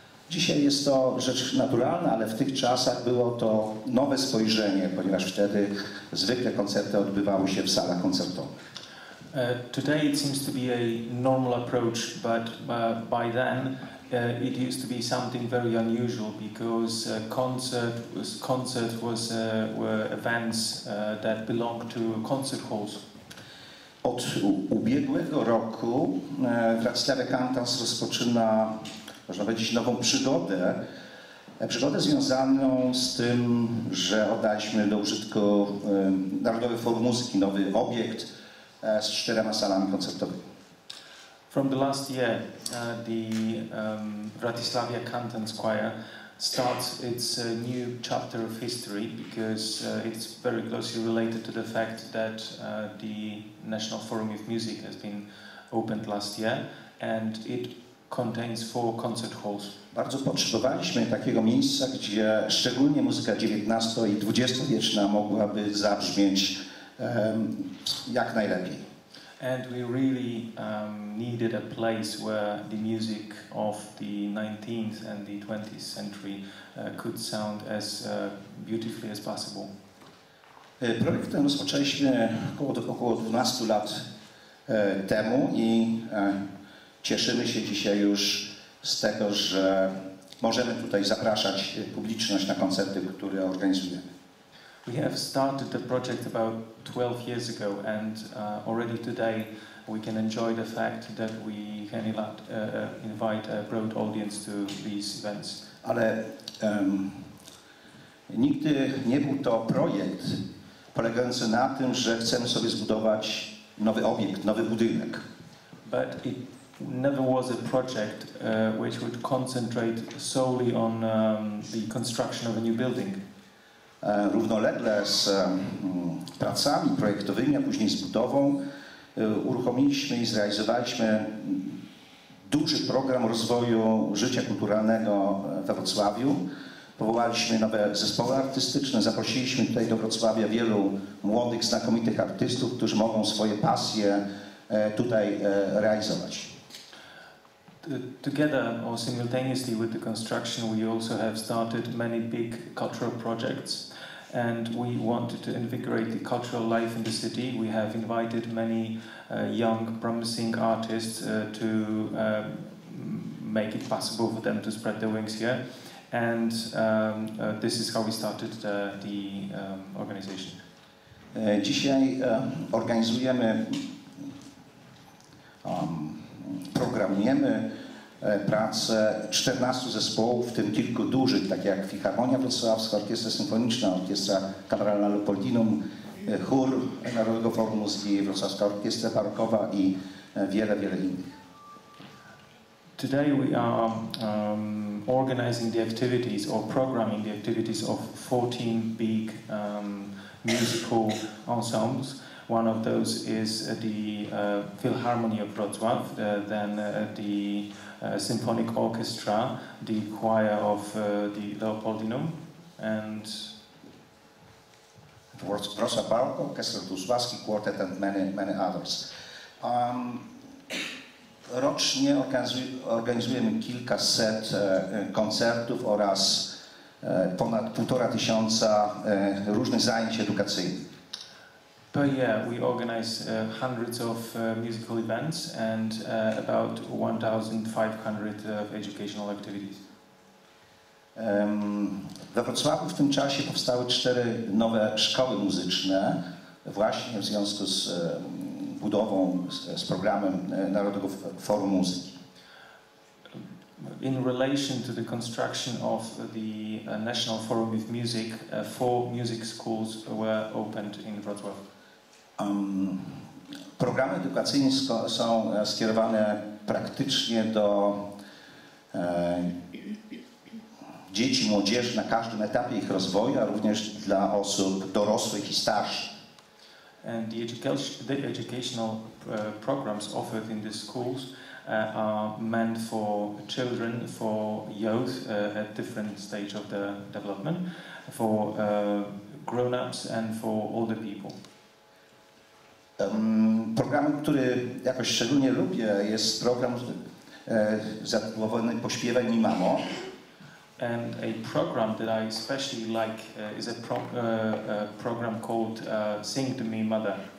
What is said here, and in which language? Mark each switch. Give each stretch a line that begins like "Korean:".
Polish: Dzisiaj jest to rzecz naturalna, ale w tych czasach było to nowe spojrzenie, ponieważ wtedy zwykle koncerty odbywały się w salach koncertowych.
English: Today it seems to be a normal approach, but by then it used to be something very unusual because concert was events that belonged to concert halls.
Polish: Od ubiegłego roku Bratislava Cantans rozpoczyna, można powiedzieć, nową przygodę. Przygodę związaną z tym, że oddaliśmy do użytku Narodowy Forum Muzyki, nowy obiekt z 4 salami koncertowymi.
English: From the last year, the Bratislava Cantans Choir starts its new chapter of history because it's very closely related to the fact that the National Forum of Music has been opened last year and it contains 4 concert halls.
Polish: Bardzo potrzebowaliśmy takiego miejsca, gdzie szczególnie muzyka XIX i XX-wieczna mogłaby zabrzmieć jak najlepiej.
English: And we really needed a place where the music of the 19th and the 20th century could sound as beautifully as possible.
Polish: Projekt ten rozpoczęliśmy około 12 lat temu i cieszymy się dzisiaj już z tego, że możemy tutaj zapraszać publiczność na koncerty, które organizujemy.
English: We have started the project about 12 years ago and already today we can enjoy the fact that we can invite a broad audience to these events.
Polish: Ale nigdy nie był to projekt polegający na tym, że chcemy sobie zbudować nowy obiekt, nowy budynek.
English: But it never was a project which would concentrate solely on the construction of a new building.
Polish: Równolegle z pracami projektowymi, a później z budową, uruchomiliśmy i zrealizowaliśmy duży program rozwoju życia kulturalnego we Wrocławiu. Powołaliśmy nowe zespoły artystyczne, zaprosiliśmy tutaj do Wrocławia wielu młodych, znakomitych artystów, którzy mogą swoje pasje tutaj realizować.
English: Together or simultaneously with the construction, we also have started many big cultural projects, and we wanted to invigorate the cultural life in the city. We have invited many young, promising artists to make it possible for them to spread their wings here. And this is how we started organization.
Polish: Dzisiaj organizujemy, programujemy pracę 14 zespołów, w tym kilku dużych, tak jak Filharmonia Wrocławska, Orkiestra Symfoniczna, Orkiestra Kameralna Leopoldinum, Chór Narodowego Forum Muzyki, Wrocławska Orkiestra Barokowa i wiele, wiele innych.
English: Today we are organizing the activities or programming the activities of 14 big musical ensembles. One of those is the Philharmonia of Wrocław, then the Symphonic Orchestra, the choir of the Leopoldinum, and Wrocław Baroque Orchestra, Wrocławski Quartet, and many others.
Polish: Rocznie organizujemy kilkaset koncertów oraz ponad 1500 różnych zajęć edukacyjnych.
English: Per year we organize hundreds of musical events and about 1500 educational activities.
Polish: We Wrocławiu w tym czasie powstały 4 nowe szkoły muzyczne właśnie w związku z budową z programem Narodowego Forum Muzyki.
English: In relation to the construction of the National Forum of Music, 4 music schools were opened in Wrocław.
Polish: Programy edukacyjne są skierowane praktycznie do dzieci, młodzieży na każdym etapie ich rozwoju, a również dla osób dorosłych i starszych.
English: And the educational programs offered in the schools are meant for children, for youth at different stage of their development, for grown-ups and for older people.
Polish: Program, który jakoś szczególnie lubię, jest program zatytułowany Pośpiewaj mi mamo.
English: And a program that I especially like is a program called Sing to Me Mother.